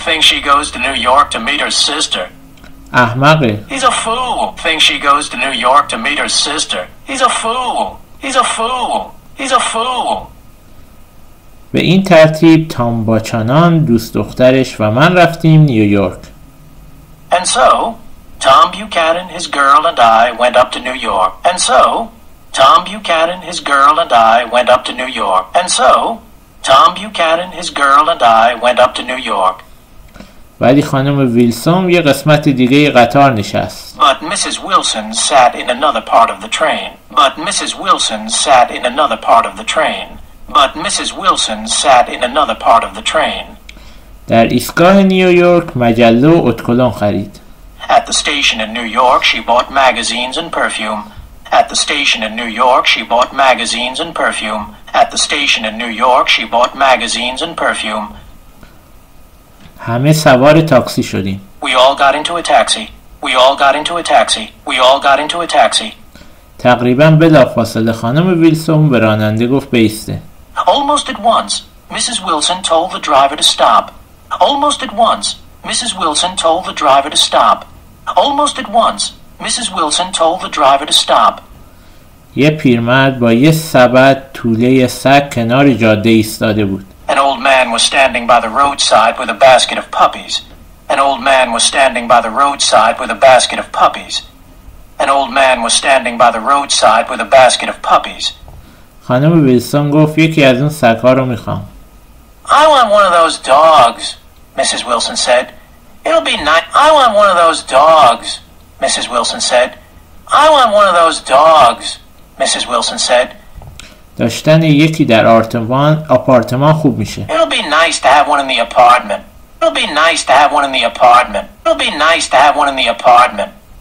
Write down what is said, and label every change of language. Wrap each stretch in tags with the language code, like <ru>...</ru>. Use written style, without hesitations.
<en>Thinks she goes to New York to meet her sister.</en> <fa>احمقه.</fa> <en>He's a fool. Thinks she goes to New York to meet her sister. He's a fool. He's a fool. He's a fool.</en> <fa>به این ترتیب تام با چنان دوست دخترش و من رفتیم نیویورک.</fa> <en>And so Tom Buchanan, his girl, and I went up to New York. And so, Tom Buchanan, his girl, and I went up to New York. And so, Tom Buchanan, his girl, and I went up to New York.</en> <fa>ولی خانم ویلسون یه قسمت دیگه قطار نشست.</fa> <en>But Mrs. Wilson sat in another part of the train. But Mrs. Wilson sat in another part of the train. But Mrs. Wilson sat in another part of the train.</en> <fa>در ایستگاه نیویورک مجله و اتکلن خرید.</fa> <en>At the station in New York, she bought magazines and perfume. At the station in New York, she bought magazines and perfume. At the station in New York, she bought magazines and perfume.</en> <fa>همه سوار تاکسی شدیم.</fa> <en>We all got into a taxi. We all got into a taxi. We all got into a taxi.</en> <fa>تقریباً بلافاصله خانم ویلسون به راننده گفت بایسته.</fa> <en>Almost at once, Mrs. Wilson told the driver to stop. Almost at once. Mrs. Wilson told the driver to stop. Almost at once, Mrs. Wilson told the driver to stop.</en> <fa>یه پیرمرد با یه سبد توله سگ کنار جاده ایستاده بود.</fa> <en>An old man was standing by the roadside with a basket of puppies. An old man was standing by the roadside with a basket of puppies. An old man was standing by the roadside with a basket of puppies.</en> <fa>خانم ویلسون گفت یکی از اون سگ‌ها رو می‌خوام.</fa> <en>I want one of those dogs. Mrs. Wilson said, "It'll be nice. I want one of those dogs." Mrs. Wilson said, "I want one of those dogs." Mrs. Wilson said,</en> <fa>"داشتن یکی در آپارتمان خوب میشه."</fa> <en>It'll be nice to have one in the apartment. It'll be nice to have one in the apartment. It'll be nice to have one in the apartment.</en>